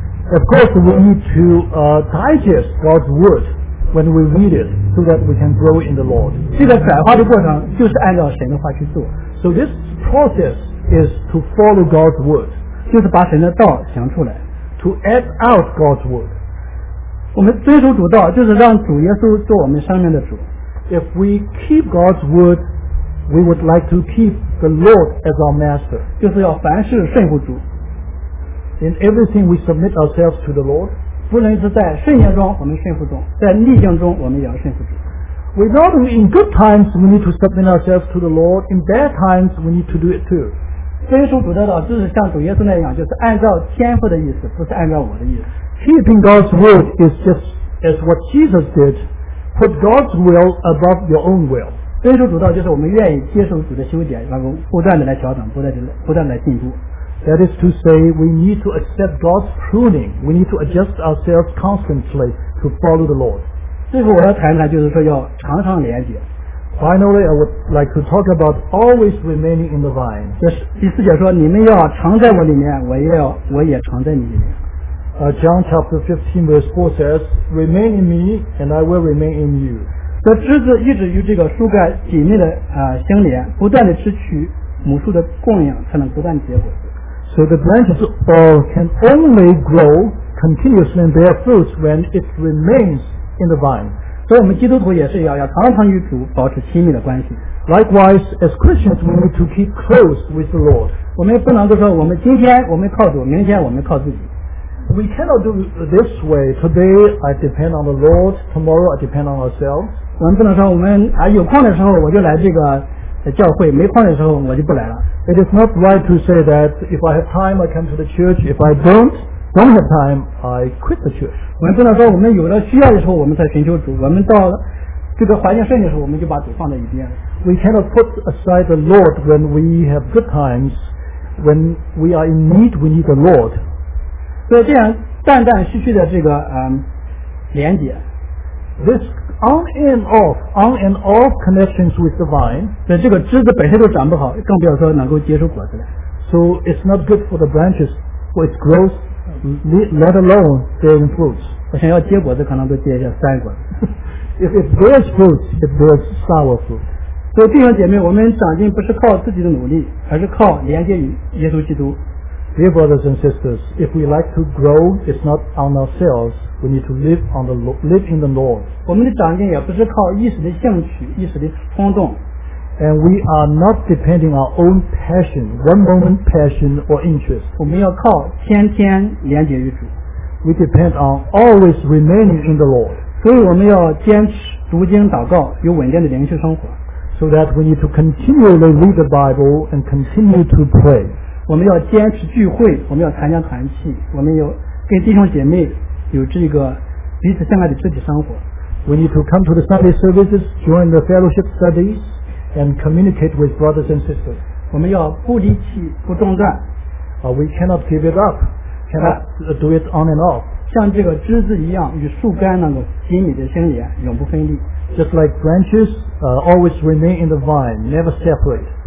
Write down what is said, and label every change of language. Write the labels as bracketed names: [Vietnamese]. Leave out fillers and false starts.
[English] Of course, we need to digest God's word when we read it so that we can grow in the Lord. [Chinese] 这个转化的过程就是按照神的话去做。 [English] So this process is to follow God's word, [Chinese] 就是把神的道想出来。 [English] To act out God's word, [Chinese] 我们遵守主道就是让主耶稣做我们生命的主。 [English] If we keep God's word, we would like to keep the Lord as our master, [Chinese] 就是要凡事顺服主。 [English] In everything we submit ourselves to the Lord, [Chinese] 不论是在顺境中我们顺服主，在逆境中我们也要顺服主。 [English] We not only in good times we need to submit ourselves to the Lord, in bad times we need to do it too. [Chinese] 遵守主的道就是像主耶稣那样，就是按照天父的意思，不是按照我的意思。 [English] Keeping God's word is just as what Jesus did, put God's will above your own will. [Chinese] 遵守主道就是我们愿意接受主的修剪，然后不断的来调整，不断的来进步。 [English] That is to say, we need to accept God's pruning. We need to adjust ourselves constantly to follow the Lord. [Chinese] 最后我要谈谈就是说要常常连结。 [English] Finally, I would like to talk about always remaining in the vine. [Chinese] 就是第四节说，你们要常在我里面，我也常在你里面。 [English] John chapter 15 verse 4 says, "Remain in me, and I will remain in you." [Chinese] 这枝子一直与这个树干紧密的相连，不断的吃取母树的供养，才能不断结果。 [English] So the branches can only grow continuously and bear fruits when it remains in the vine. [Chinese] 所以我们基督徒也是要常常与主保持亲密的关系。 [English] Likewise, as Christians, we need to keep close with the Lord. [Chinese] 我们不能够说我们今天我们靠主，明天我们靠自己。 [English] We cannot do it this way. Today I depend on the Lord. Tomorrow I depend on ourselves. [Chinese] 我们不能说我们有空的时候我就来这个教会，没空的时候我就不来了。 [English] It is not right to say that if I have time I come to the church, if I don't have time I quit the church. [Chinese] 我们不能说我们有了需要的时候我们才寻求主，我们到这个环境顺的时候我们就把主放在一边。 [English] We cannot put aside the Lord when we have good times. When we are in need, we need the Lord. [Chinese] 所以这样断断续续的这个连结， [English] This on and off connections with the vine, [Chinese] 对，这个枝子本身都长不好，更不要说能够结出果子来。 [English] So it's not good for the branches for its growth, let alone bearing fruits. [Chinese] 我想要结果子可能都结一下酸果子。 [English] If it bears fruits, it bears sour fruit. [Chinese] 所以弟兄姐妹，我们长进不是靠自己的努力，而是靠连接于耶稣基督。 [English] Dear brothers and sisters, if we like to grow, it's not on ourselves. We need to live in the Lord. [Chinese] 我们的长进也不是靠一时的兴趣，一时的冲动。 [English] And we are not depending on our own passion, one moment passion or interest. [Chinese] 我们要靠天天连结于主。 [English] We depend on always remaining in the Lord. [Chinese] 所以我们要坚持读经祷告，有稳定的灵修生活。 [English] So that we need to continually read the Bible and continue to pray. [Chinese] 我们要坚持聚会，我们要参加团契，我们要跟弟兄姐妹。有这个彼此相爱的肢体生活。 [English] We need to come to the Sunday services, join the fellowship studies, and communicate with brothers and sisters. [Chinese] 我们要不离弃，不中断。 [English] We cannot give it up, cannot do it on and off. [Chinese] 像这个枝子一样，与树干那个紧密的相连，永不分离。 [English] Just like branches, always remain in the vine, never separate.